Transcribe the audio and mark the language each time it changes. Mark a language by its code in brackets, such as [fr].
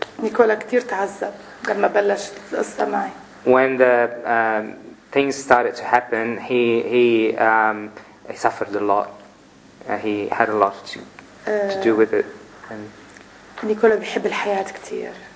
[ar] Nicola كتير تعذب لما بلشت القصة معي. [en] When the things started to happen, he suffered a lot. He had a lot to do with it. [ar] Nicola بحب الحياة كتير.